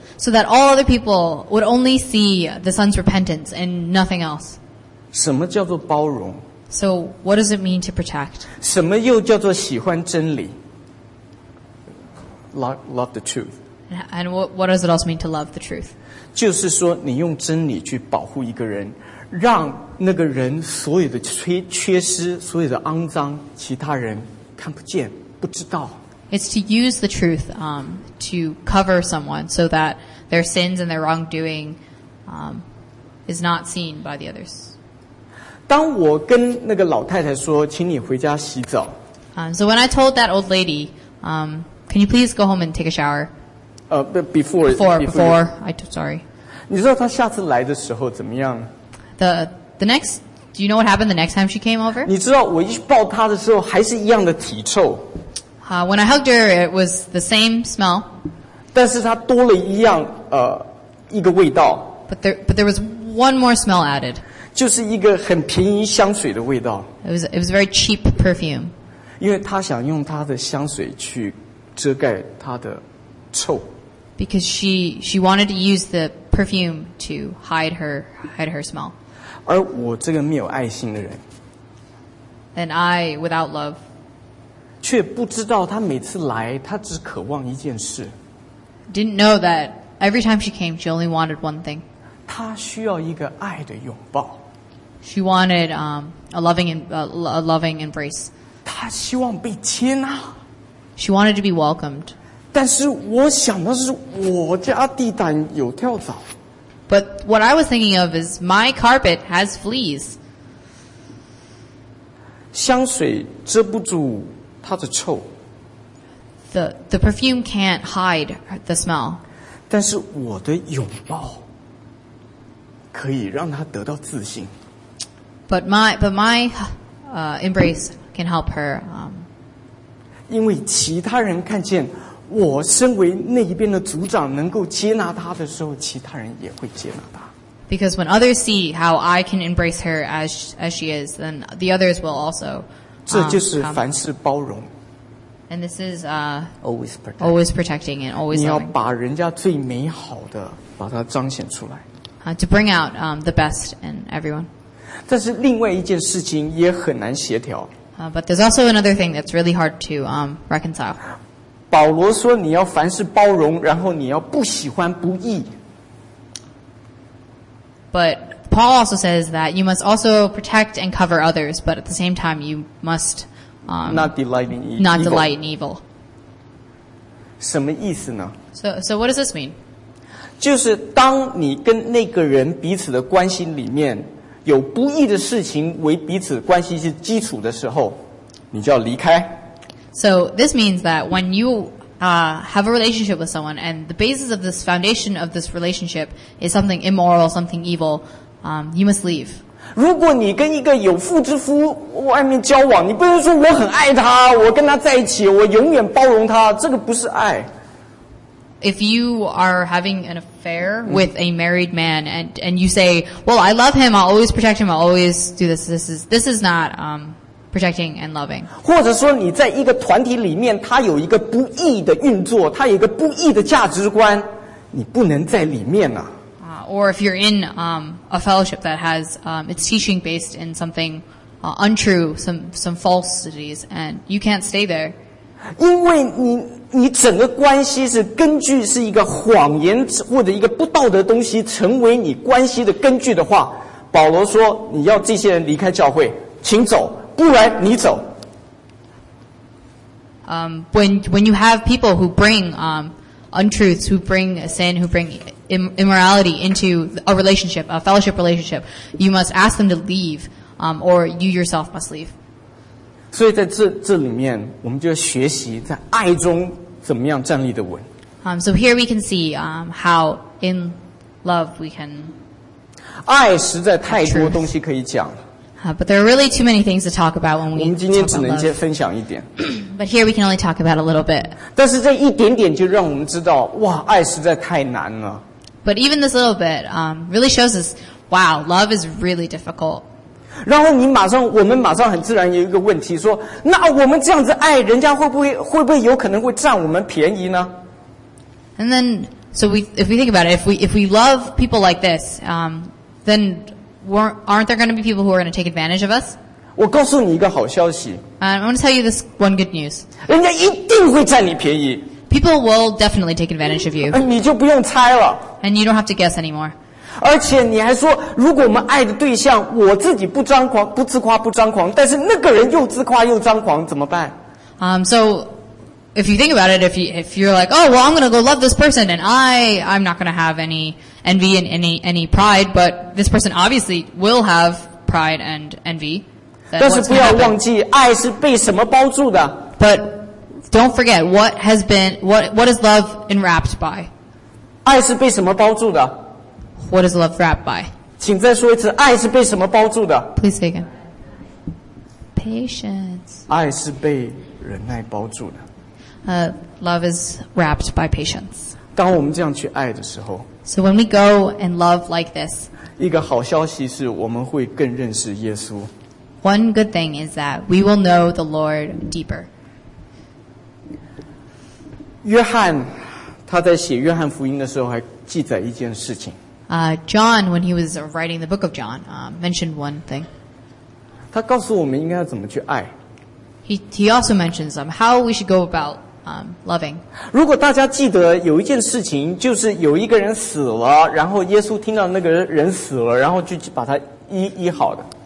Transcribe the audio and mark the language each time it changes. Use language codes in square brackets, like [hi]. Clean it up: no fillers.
[en] So that all other people would only see the son's repentance and nothing else. [zh] 什么叫做包容? [en] So what does it mean to protect? [zh] 什么又叫做喜欢真理? [en] Love the truth. And what does it also mean to love the truth? [zh] 就是说你用真理去保护一个人，让那个人所有的缺失，所有的肮脏，其他人看不见，不知道。 [en] It's to use the truth to cover someone so that their sins and their wrongdoing is not seen by the others. [zh] 当我跟那个老太太说，请你回家洗澡。 [en] So when I told that old lady, can you please go home and take a shower? Before. [zh] 你知道她下次来的时候怎么样？ [en] Do you know what happened the next time she came over? [zh] 你知道我一抱她的时候还是一样的体臭。 [en] When I hugged her, it was the same smell. [zh] 但是她多了一样一个味道。 [en] But there was one more smell added. [zh] 就是一个很便宜香水的味道。 [en] It was very cheap perfume. [zh] 因为她想用她的香水去遮盖她的臭。 [en] Because she wanted to use the perfume to hide her smell. [zh] 而我这个没有爱心的人。 [en] And I without love. [zh] 却不知道她每次来，她只渴望一件事。 [en] Didn't know that every time she came, she only wanted one thing. [zh] 她需要一个爱的拥抱。 [en] She wanted a loving embrace. [zh] 她希望被接纳。 [en] She wanted to be welcomed. [zh] 但是我想的是，我家地毯有跳蚤。 [en] But what I was thinking of is my carpet has fleas. [zh] 香水遮不住。它的臭。 [en] The perfume can't hide the smell. [zh] 但是我的拥抱可以让她得到自信。 [en] But my embrace can help her. [zh] 因为其他人看见我身为那一边的组长能够接纳她的时候，其他人也会接纳她。 [en] Because when others see how I can embrace her as she is, then the others will also. [zh] 这就是凡事包容。 [en] And this is always protecting. Always protecting and always loving. [zh] 你要把人家最美好的把它彰显出来。 [en] To bring out the best in everyone. [zh] 但是另外一件事情也很难协调。 [en] But there's also another thing that's really hard to reconcile. [zh] 保罗说你要凡事包容，然后你要不喜欢不义。 [en] But... Paul also says that you must also protect and cover others, but at the same time, you must not delight in evil. [zh] 什么意思呢？ [en] So what does this mean? [zh] 就是当你跟那个人彼此的关系里面有不义的事情为彼此关系是基础的时候，你就要离开。 [en] So this means that when you have a relationship with someone and the basis of this foundation of this relationship is something immoral, something evil,you must leave. [zh] 如果你跟一个有妇之夫外面交往，你不能说我很爱他，我跟他在一起，我永远包容他，这个不是爱。 [en] If you are having an affair with a married man and you say, well, I love him, I'll always protect him, I'll always do this, this is not protecting and loving. [zh] 或者说你在一个团体里面，他有一个不义的运作，他有一个不义的价值观，你不能在里面啊。 [en] Or if you're in a fellowship that has its teaching based in something untrue, some falsities, and you can't stay there. [zh] 因为你整个关系是根据是一个谎言或者一个不道德东西成为你关系的根据的话，保罗说你要这些人离开教会，请走，不然你走。 [en] When you have people who bring untruths, who bring sin, who bring immorality into a relationship, a fellowship relationship, you must ask them to leave, or you yourself must leave. [zh] 所以在这里面，我们就要学习在爱中怎么样站立的稳。 [en] So here we can see how in love we can. [zh] 爱实在太多东西可以讲。 [en] But there are really too many things to talk about when we talk about love. [zh] 我们今天只能分享一点。 [en] But here we can only talk about a little bit. [zh] 但是这一点点就让我们知道，哇，爱实在太难了。 [en] But even this little bit really shows us, wow, love is really difficult. [zh] 然后你马上，我们马上很自然有一个问题，说，那我们这样子爱，人家会不会有可能会占我们便宜呢？ [en] And then, so if we think about it, if we love people like this, then aren't there going to be people who are going to take advantage of us? [zh] 我告诉你一个好消息。 [en] I want to tell you this one good news. [zh] 人家一定会占你便宜。 [en] People will definitely take advantage of you. [zh] 你就不用猜了。 [en] And you don't have to guess anymore. [zh] 而且你还说，如果我们爱的对象，我自己不张狂，不自夸，不张狂，但是那个人又自夸又张狂，怎么办？ [en] So if you think about it, if you're like, oh, well, I'm going to go love this person, and I'm not going to have any envy and any pride, but this person obviously will have pride and envy. [zh] 但是不要忘记，爱是被什么包住的。 [en] But don't forget what is love enwrapped by? [zh] 爱是被什么包住的? [en] What is love wrapped by? [zh] 请再说一次，爱是被什么包住的? [en] Please say again. Patience. [zh] 爱是被忍耐包住的。 [en] Love is wrapped by patience. [zh] 当我们这样去爱的时候, [en] so when we go and love like this, [zh] 一个好消息是我们会更认识耶稣。 [en] One good thing is that we will know the Lord deeper. [zh] 约翰, 他在写约翰福音的时候还记载一件事情。 [en] John, when he was writing the book of John, mentioned one thing. [zh] 他告诉我们应该怎么去爱。 [en] He also mentions how we should go about loving. [zh] 如果大家记得有一件事情，就是有一个人死了， 然后耶稣听到那个人死了， 然后就把他医好的。